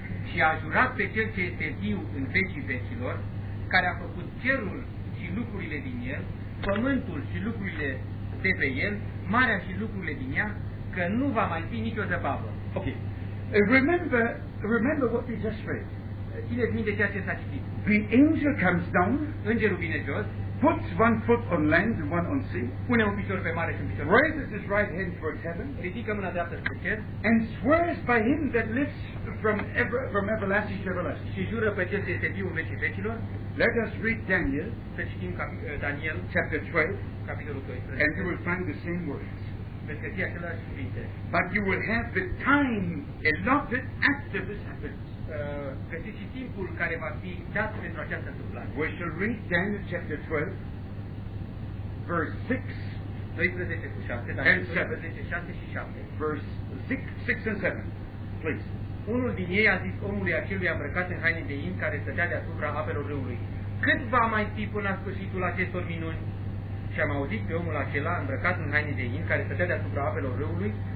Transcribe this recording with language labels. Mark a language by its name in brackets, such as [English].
[Romanian] Și a jurat pe cel ce este viu în vecii vecilor, care a făcut cerul și lucrurile din el, pământul și lucrurile de pe el, marea și lucrurile din ea, că nu va mai fi nicio zăbavă. [English] Ok. Remember what we just read. [Romanian] Țineți minte ceea ce s-a citit. [English] The angel comes down, [Romanian] îngerul vine jos, [English] puts one foot on land and one on sea, [Romanian] pune un picior pe mare și un picior, [English] raises his right hand towards heaven, [Romanian] ridică mâna dreaptă spre cer, [English] and swears by him that lives from everlasting to everlasting. [Romanian] Și jură pe cel ce este viu în vecii vecilor. [English] Let us read Daniel, [Romanian] să citim Daniel, [English] chapter 12, [Romanian] capitolul 12, [English] and you will find the same words. But you will have the time allotted after this happens. [Romanian] Găsiți timpul care va fi dat pentru această întâmplare. [English] We shall read Daniel chapter 12:6-7.